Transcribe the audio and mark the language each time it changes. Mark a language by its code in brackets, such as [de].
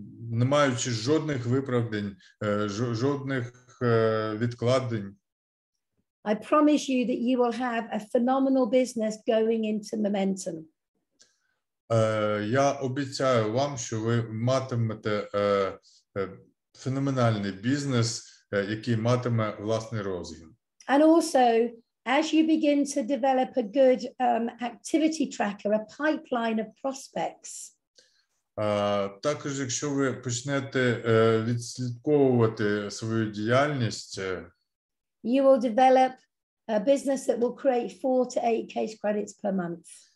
[uk] не маючи жодних виправдань, жодних відкладень, [en] I promise you that you will have a phenomenal business going into momentum. [uk] Я обіцяю вам, що ви матимете феноменальний бізнес, який матиме власний розгін. [en] And also, as you begin to develop a good activity tracker, a pipeline of prospects. [uk] Також, якщо ви почнете відслідковувати свою діяльність, [en] you will develop a business that will create 4 to 8 case credits per month.